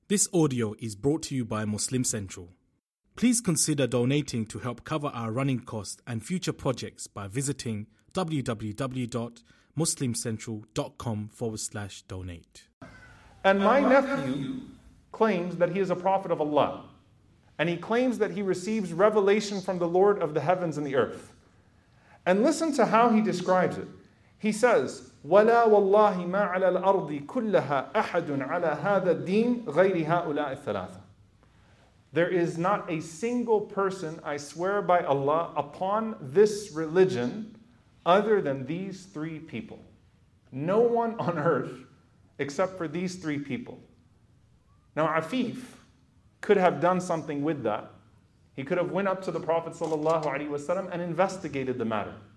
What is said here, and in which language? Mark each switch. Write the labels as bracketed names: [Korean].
[English] This audio is brought to you by Muslim Central. Please consider donating to help cover our running costs and future projects by visiting www.muslimcentral.com/donate. And my nephew claims that he is a prophet of Allah, and he claims that he receives revelation from the Lord of the heavens and the earth. And listen to how he describes it. He says, [Arabic] وَلَا وَاللَّهِ مَا عَلَى الْأَرْضِ كُلَّهَا أَحَدٌ عَلَى هَذَا الدِّينِ غَيْرِ هَؤُلَاءِ الثَّلَاثَةِ. [English] There is not a single person, I swear by Allah, upon this religion other than these three people. No one on earth except for these three people. Now Afif could have done something with that. He could have went up to the Prophet ﷺ and investigated the matter.